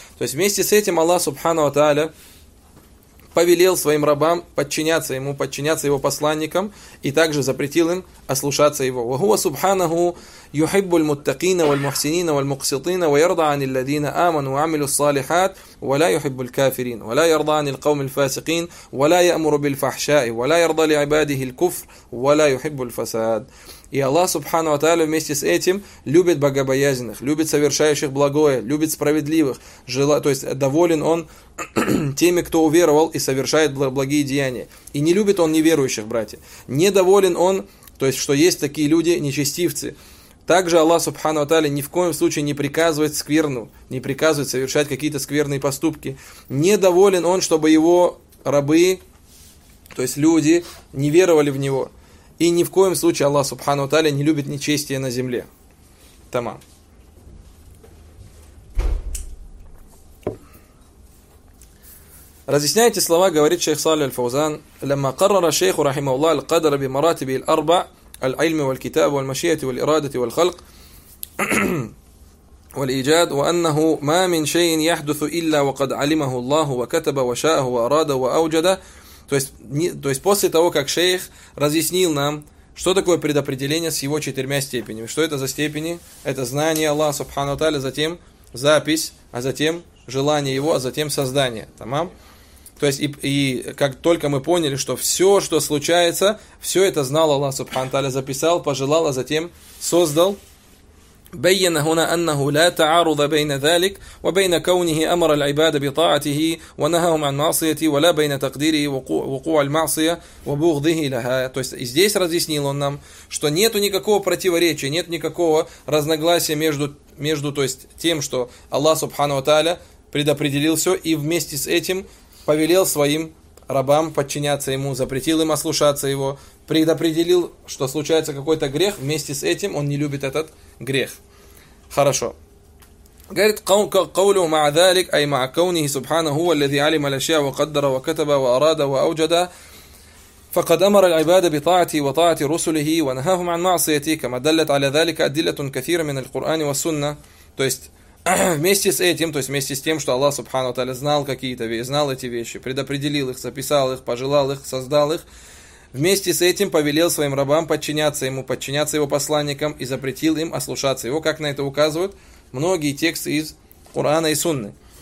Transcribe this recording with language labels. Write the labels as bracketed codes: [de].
[ru] То есть, вместе с этим Аллах Субхану Ва Тааля повелел своим рабам подчиняться ему, подчиняться его посланникам, и также запретил им ослушаться его. [ar] «Ва хуа Субханаху юхиббу аль-муттакина валь-мухсинина валь-мухсилтина ва ярда ан ил-ладина аману амилу ссалихат». ولا يحب الكافرين ولا يرضى عن القوم الفاسقين ولا يأمر بالفحشاء ولا يرضى لعباده الكفر ولا يحب الفساد. [ru] И Аллах Субхану ва Тааля вместе с этим любит богобоязненных, любит совершающих благое, любит справедливых, то есть доволен он теми, кто уверовал и совершает благие деяния. И не любит он неверующих, братья. Недоволен он, то есть что есть такие люди, нечестивцы. Также Аллах Субхану ва Тааля ни в коем случае не приказывает скверну, не приказывает совершать какие-то скверные поступки. Недоволен он, чтобы его рабы, то есть люди, не веровали в него. И ни в коем случае Аллах Субхану ва Тааля не любит нечестие на земле. Тамам. Разъясняйте слова, говорит шейх Салли аль-Фаузан. [ar] «Ламма каррара шейху рахима Аллах аль-кадра би маратиби аль-арба». العلم والكتاب والمشيئة والإرادة والخلق والإيجاد وأنه ما من شيء يحدث إلا وقد علمه الله وكتب وشاءه وأراد وأوجد. [ru] То есть после того, как шейх разъяснил нам, что такое предопределение с его четырьмя степенями. Что это за степени? Это знание Аллаха Субхану ва Тааля, затем запись, а затем желание его, а затем создание. Тамам? То есть, и как только мы поняли, что все, что случается, все это знал Аллах Субхану ва Тааля, записал, пожелал, а затем создал. [ar] بَيَّنَ هُنَا أَنَّهُ لَا تَعَارُضَ بَيْنَ ذَلِكَ وَبَيْنَ كَوْنِهِ أَمَرَ الْعِبَادَ بِطَاعَتِهِ وَنَهَاهُمْ عَنْ مَعْصِيَتِهِ وَلَا بَيْنَ تَقْدِيرِهِ وَقُوعَ الْمَعْصِيَةِ وَبُغْضِهِ لَهَا. [ru] То есть, здесь разъяснил он нам, что нету никакого противоречия, нет никакого разногласия между то есть, тем, что Аллах Субхану ва Тааля предопределил все, и вместе с этим повелел своим рабам подчиняться ему, запретил им ослушаться его, предопределил, что случается какой-то грех, вместе с этим он не любит этот грех. Хорошо. Говорит, [ar] قوله مع ذلك, أي مع كونه سبحانه هو الذي علم الأشياء وقدر وكتب وأراد وأوجد, فقد أمر العباد بطاعته وطاعة رسله ونهاهم عن معصيته, كما دلت على ذلك أدلة كثيرة من القرآن والسنة. [ru] То есть, вместе с этим, то есть вместе с тем, что Аллах Субхану ва Тааля знал какие-то вещи, знал эти вещи, предопределил их, записал их, пожелал их, создал их, вместе с этим повелел своим рабам подчиняться ему, подчиняться его посланникам и запретил им ослушаться его, как на это указывают многие тексты из Корана и Сунны.